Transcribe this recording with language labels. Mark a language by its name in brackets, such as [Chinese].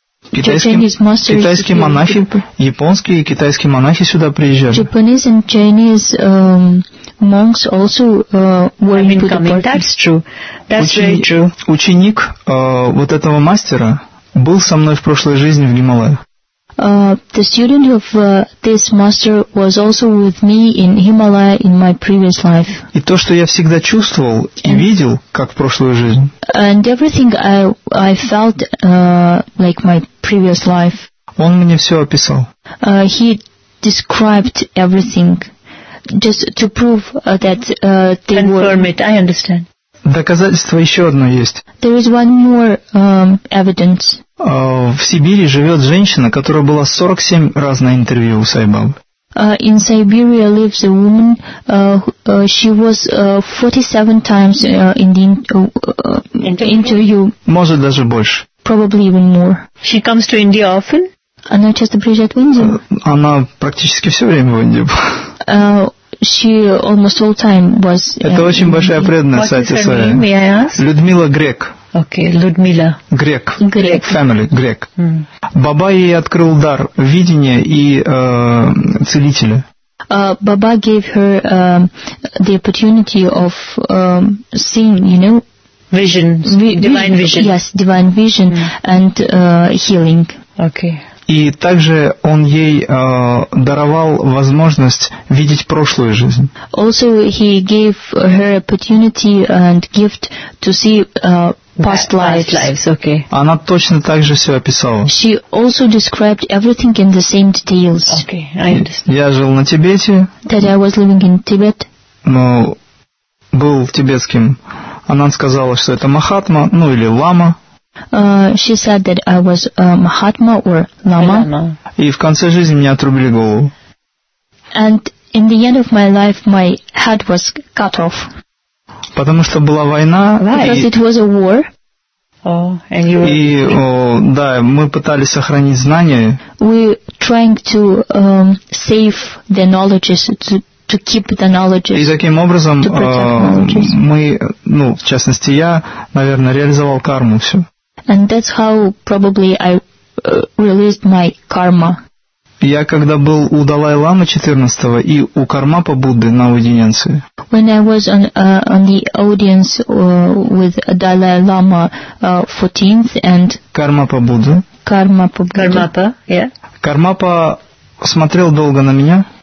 [Russian] китайские монахи, японские и китайские монахи сюда приезжали. [English] Japanese and Chinese monks also were in Puttaparthi. That's true. That's very true. [Russian] Ученик вот этого мастера был со мной в прошлой жизни в Гималаях. [English] The student of this master was also with me in Himalaya in my previous life. [Russian] И то, что я всегда чувствовал и видел, как в прошлую жизнь. [English] And everything I felt like my previous life. [Russian] Он мне все описал. [English] He described everything just to prove that they confirm were. Confirm it. I understand. [Russian] Доказательство еще одно есть. [English] There is one more evidence. [Russian] В Сибири живет женщина, которая была 47 раз на интервью у Сай Бабы. [English] In Siberia lives a woman. She was 47 times in the interview. [Russian] Может даже больше. [English] Probably even more. She comes to India often? [Russian] Она часто приезжает в Индию? Она практически все время в Индии была. [English] She almost all time was. [Russian] Это очень большая преданная, [English] what [Russian] кстати, своя. Людмила Грек. [English] Okay, Людмила. Грек. Грек. Family, Грек. [Russian] Баба ей открыл дар видения и целителя. [English] Baba gave her the opportunity of seeing, you know, Divine vision. Yes, divine vision and healing. Okay. [Russian] И также он ей даровал возможность видеть прошлую жизнь. [English] Also he gave her opportunity and gift to see past lives. Okay. [Russian] Она точно так же все описала. [English] She also described everything in the same details. Okay, I understand. [Russian] Я жил на Тибете. [English] That I was living in Tibet. [Russian] Ну, был тибетским. Она сказала, что это Махатма, ну или Лама. [English] She said that I was Mahatma or Lama. [Russian] И в конце жизни мне отрубили голову. [English] And in the end of my life, my head was cut off. [Russian] Потому что была война. [English] Why? Because it was a war. Oh, and you were... [Russian] И, да, мы пытались сохранить знания. [English] We trying to save the knowledges, to keep the knowledges. [Russian] И таким образом мы, ну, в частности я, наверное, реализовал карму всю. [English] And that's how probably I released my karma. [Russian] Я когда был у Далай-ламы 14-го и у Кармапа Будды на аудиенции. [English] When I was on the audience with Далай-лама 14th and Кармапа Будда. Кармапа Будда. Кармапа, yeah. [Russian] Кармапа смотрел долго на меня.